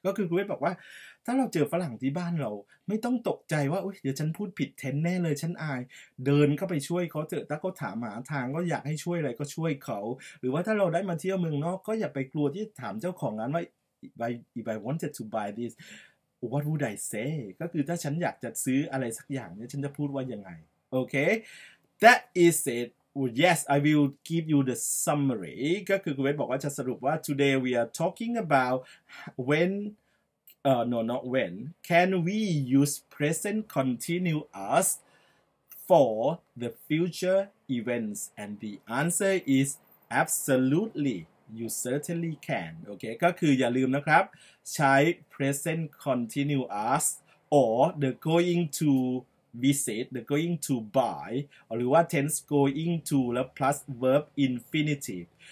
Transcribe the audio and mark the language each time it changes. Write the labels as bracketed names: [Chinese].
[Thai] ก็คือครูเวทบอกว่าถ้าเราเจอฝรั่งที่บ้านเราไม่ต้องตกใจว่าเดี๋ยวฉันพูดผิดเทนแน่เลยฉันอายเดินเข้าไปช่วยเขาเถอะถ้าเขาถามหาทางก็อยากให้ช่วยอะไรก็ช่วยเขาหรือว่าถ้าเราได้มาเที่ยวเมืองนอกก็อย่าไปกลัวที่ถามเจ้าของร้านว่า [English] if I wanted to buy thisWhat would I say? [Thai] ก็คือถ้าฉันอยากจะซื้ออะไรสักอย่างเนี่ยฉันจะพูดว่ายังไงโอเค [English] That is it. Well, yes, I will give you the summary. [Thai] ก็คือครูเวทบอกว่าจะสรุปว่า [English] Today we are talking about when No, not when. Can we use present continuous for the future events? And the answer is absolutely. You certainly can. Okay, [Thai] ก็คืออย่าลืมนะครับใช้ [English] present continuous or the going to visit, the going to buy, [Thai] หรือว่า [English] tense going to [Thai] แล้ว [English] plus verb infinitive.